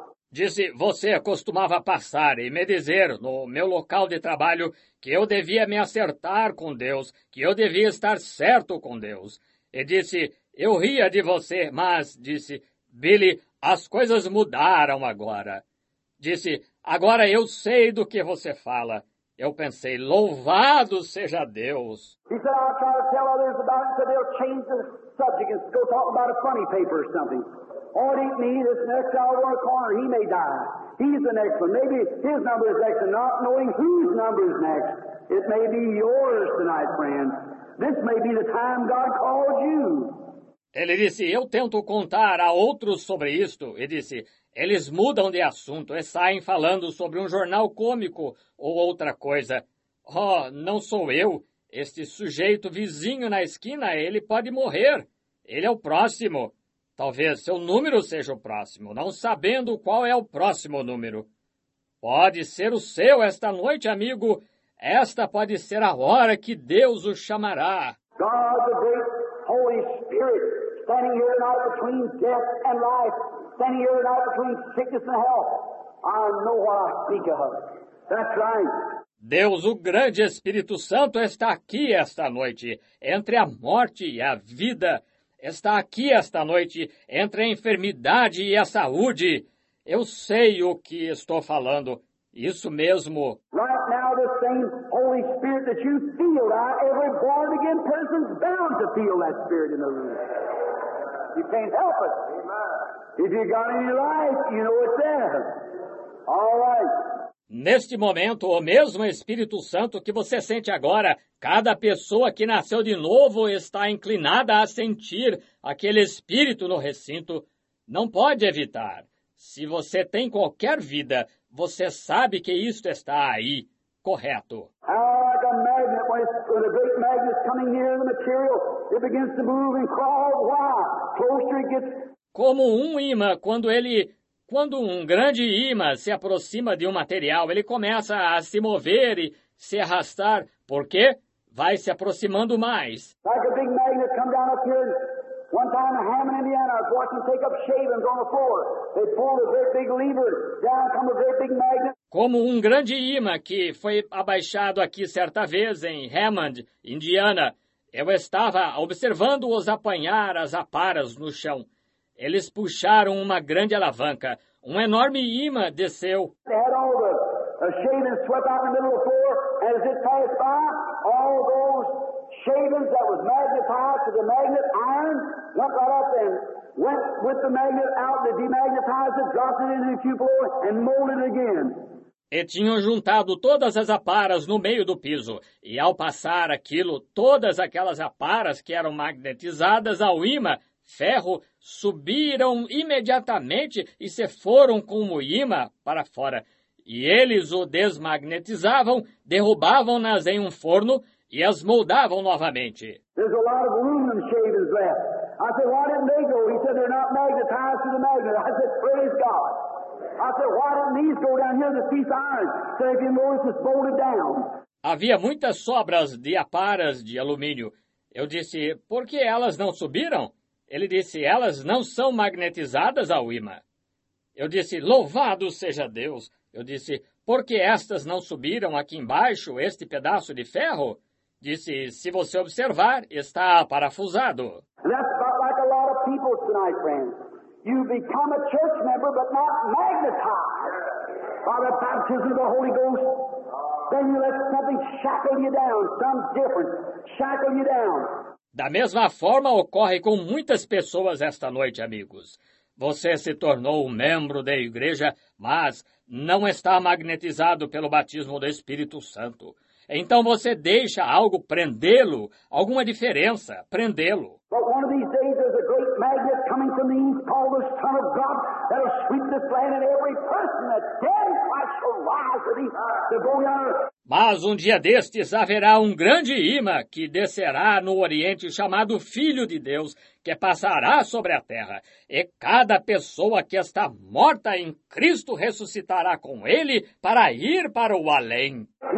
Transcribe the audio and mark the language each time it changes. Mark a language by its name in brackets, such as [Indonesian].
[Portuguese] Disse, você costumava passar e me dizer no meu local de trabalho que eu devia me acertar com Deus, que eu devia estar certo com Deus. E disse, eu ria de você, mas, disse, Billy, as coisas mudaram agora. Disse, agora eu sei do que você fala. Eu pensei, louvado seja Deus. [English] He said, I'll try to tell others about it so they'll change the subject and go talk about a funny paper or something. Oh, it ain't me, this next guy over the corner, he may die. He's the next one. Maybe his number is next, and not knowing whose number is next. It may be yours tonight, friend. This may be the time God calls you. [Portuguese] Ele disse, eu tento contar a outros sobre isto. E disse, eles mudam de assunto e saem falando sobre um jornal cômico ou outra coisa. Oh, não sou eu. Este sujeito vizinho na esquina, ele pode morrer. Ele é o próximo. Talvez seu número seja o próximo, não sabendo qual é o próximo número. Pode ser o seu esta noite, amigo. Esta pode ser a hora que Deus o chamará. [English] God, the great Holy Spirit. Standing here tonight between death and life, standing here tonight between sickness and health, I know what I speak of. That's right. [Portuguese] Deus, o grande Espírito Santo, está aqui esta noite, entre a morte e a vida. Está aqui esta noite, entre a enfermidade e a saúde. Eu sei o que estou falando. Isso mesmo. [English] Right now, the same Holy Spirit that you feel, every born again person's bound to feel that Spirit in the room. You can't help it. Amen. If you got any life, you know it's there. All right. [Portuguese] Neste momento, o mesmo Espírito Santo que você sente agora, cada pessoa que nasceu de novo está inclinada a sentir aquele Espírito no recinto. Não pode evitar. Se você tem qualquer vida, você sabe que isto está aí, correto? [English] Like a magnet, when a great magnet is coming near the material, it begins to move and crawl. Why? Closer it gets. [Portuguese] Como um ímã, quando um grande ímã se aproxima de um material, ele começa a se mover e se arrastar. Por quê? Vai se aproximando mais. [English] Like a big magnet come down up here. One time in Hammond, Indiana, I was watching take up shavings on the floor. They pulled a great big lever. Down come a great big magnet. [Portuguese] Como um grande ímã que foi abaixado aqui certa vez em Hammond, Indiana, eu estava observando-os apanhar as aparas no chão. Eles puxaram uma grande alavanca. Um enorme ímã desceu. [English] They had all the shavings swept out in the middle of the floor. And as it passed by, all those shavings that was magnetized to the magnet iron went right up and went with the magnet out, they demagnetized it, dropped it into the cupola and molded it again. [Portuguese] E tinham juntado todas as aparas no meio do piso. E ao passar aquilo, todas aquelas aparas que eram magnetizadas ao ímã, ferro, subiram imediatamente e se foram com o ímã para fora. E eles o desmagnetizavam, derrubavam-nas em um forno e as moldavam novamente. [English] There's a lot of aluminum shavings left. I said, why didn't they go? He said, they're not magnetized to the magnet. I said, praise God. I said, why don't these go down here to piece iron? So if you notice, it's bolted down. [Portuguese] Havia muitas sobras de aparas de alumínio. Eu disse, por que elas não subiram? Ele disse, elas não são magnetizadas ao ímã. Eu disse, louvado seja Deus. Eu disse, por que estas não subiram aqui embaixo, este pedaço de ferro? Disse, se você observar, está parafusado. [English] That's about like a lot of people tonight, friends. You become a church member, but not magnetized by the baptism of the Holy Ghost. Then you let something shackle you down, some difference, shackle you down. [Portuguese] Da mesma forma, ocorre com muitas pessoas esta noite, amigos. Você se tornou um membro da igreja, mas não está magnetizado pelo batismo do Espírito Santo. Então você deixa algo prendê-lo, alguma diferença, prendê-lo. [English] But one of these days there's a great magnet coming from the east called the Son of God that'll sweep this land and every person that's dead Christ shall rise and the glory on earth. [Portuguese] Mas um dia destes haverá um grande ímã que descerá no Oriente chamado Filho de Deus, que passará sobre a terra, e cada pessoa que está morta em Cristo ressuscitará com ele para ir para o além.